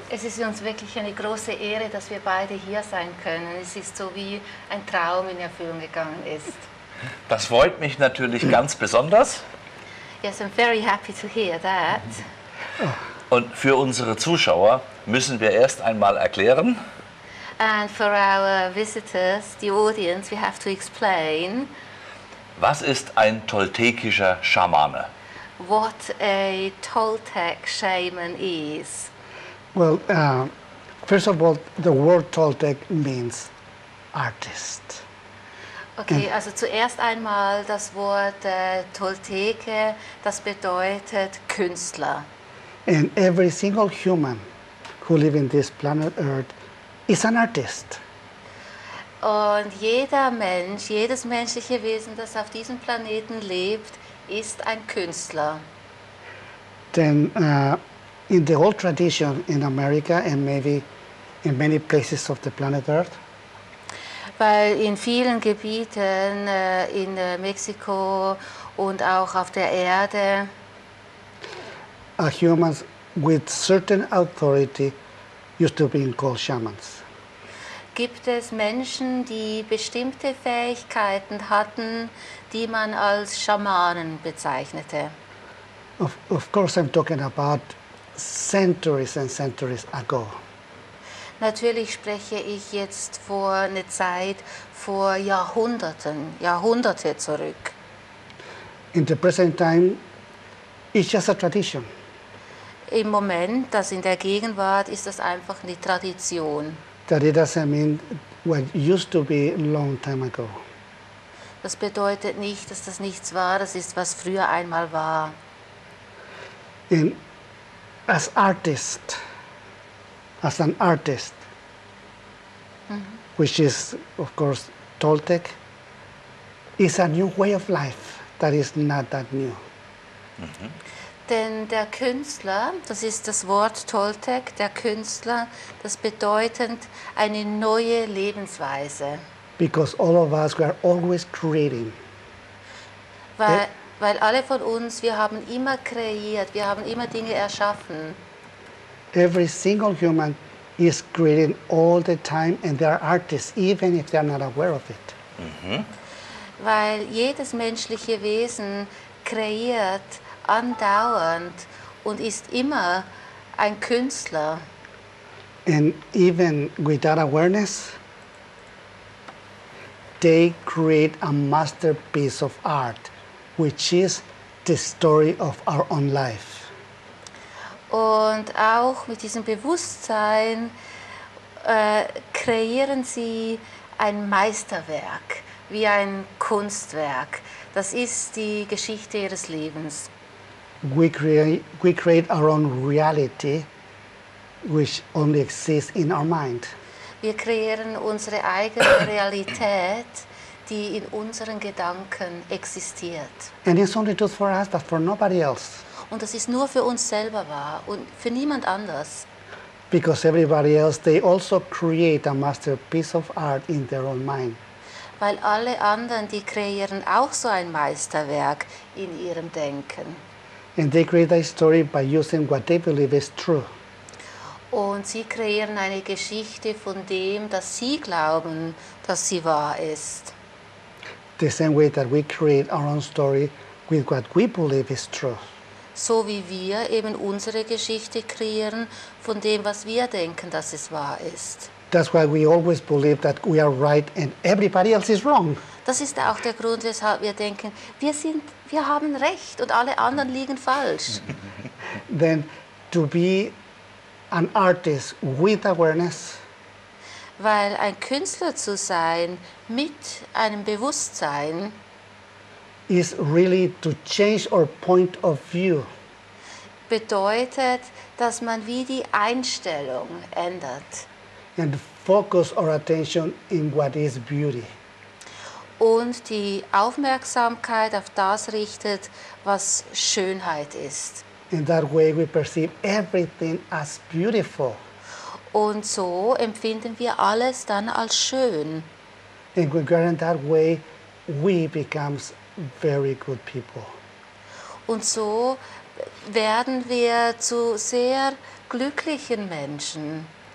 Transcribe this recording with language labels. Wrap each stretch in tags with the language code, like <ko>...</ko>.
<de>Es ist uns wirklich eine große Ehre, dass wir beide hier sein können. Es ist so, wie ein Traum in Erfüllung gegangen ist. Das freut mich natürlich ganz besonders.</de> <en>Yes, I'm very happy to hear that.</en> <de>Und für unsere Zuschauer müssen wir erst einmal erklären.</de> <en>And for our visitors, the audience, we have to explain.</en> <de>Was ist ein toltekischer Schamane?</de> <en>What a Toltec shaman is. Well, first of all, the word Toltec means artist. Okay, and also</en> <de>zuerst einmal das Wort Tolteke, das bedeutet Künstler.</de> <en>And every single human who lives in this planet Earth is an artist.</en> <de>Und jeder Mensch, jedes menschliche Wesen, das auf diesem Planeten lebt, ist ein Künstler.</de> <en>Then in the old tradition in America and maybe in many places of the planet Earth.</en> <de>Weil in vielen Gebieten in Mexiko und auch auf der Erde</de> <en>humans with certain authority used to be called shamans.</en> <de>Gibt es Menschen, die bestimmte Fähigkeiten hatten, die man als Schamanen bezeichnete?</de> <en>Of course, I'm talking about centuries and centuries ago.</en> <de>Natürlich spreche ich jetzt vor eine Zeit vor Jahrhunderten, Jahrhunderte zurück.</de> <en>In the present time, it's just a tradition.</en> <de>Im Moment, das in der Gegenwart, ist das einfach eine Tradition.</de> <en>That it doesn't mean what used to be a long time ago.</en> <de>Das bedeutet nicht, dass das nichts war, das ist, was früher einmal war.</de> <en>And as artist, as an artist, which is, of course, Toltec, is a new way of life that is not that new.</en> <de>Denn der Künstler, das ist das Wort Toltec, der Künstler, das bedeutet eine neue Lebensweise.</de> <en>Because all of us, we are always creating.</en> <de>Weil alle von uns, wir haben immer kreiert, wir haben immer Dinge erschaffen.</de> <en>Every single human is creating all the time and they are artists, even if they are not aware of it.</en> <de>Weil jedes menschliche Wesen kreiert andauernd und ist immer ein Künstler.</de> <en>And even without awareness, they create a masterpiece of art, which is the story of our own life.</en> <de>Und auch mit diesem Bewusstsein kreieren sie ein Meisterwerk, wie ein Kunstwerk. Das ist die Geschichte ihres Lebens.</de> <en>We create our own reality, which only exists in our mind.</en> <de>Wir kreieren unsere eigene Realität, die in unseren Gedanken existiert.</de> <en>And it's only true for us, but for nobody else.</en> <de>Und das ist nur für uns selber wahr und für niemand anders.</de> <en>Because everybody else, they also create a masterpiece of art in their own mind.</en> <de>Weil alle anderen, die kreieren auch so ein Meisterwerk in ihrem Denken.</de> <en>And they create a story by using what they believe is true.</en> <de>Und sie kreieren eine Geschichte von dem, dass sie glauben, dass sie wahr ist.</de> <en>The same way that we create our own story with what we believe is true.</en> <de>So wie wir eben unsere Geschichte kreieren von dem, was wir denken, dass es wahr ist.</de> <en>That's why we always believe that we are right and everybody else is wrong.</en> <de>Das ist auch der Grund, weshalb wir denken, wir haben recht und alle anderen liegen falsch.</de> <en>Then to be an artist with awareness.</en> <de>Weil ein Künstler zu sein mit einem Bewusstsein</de> <en>is really to change our point of view.</en> <de>Bedeutet, dass man wie die Einstellung ändert.</de> <en>And focus our attention in what is beauty.</en> <de>Und die Aufmerksamkeit auf das richtet, was Schönheit ist.</de> <en>In that way we perceive everything as beautiful.</en> <de>Und so empfinden wir alles dann als schön.</de> <en>And we are in that way we become very good people.</en> <de>Und so werden wir zu sehr glücklichen Menschen.</de>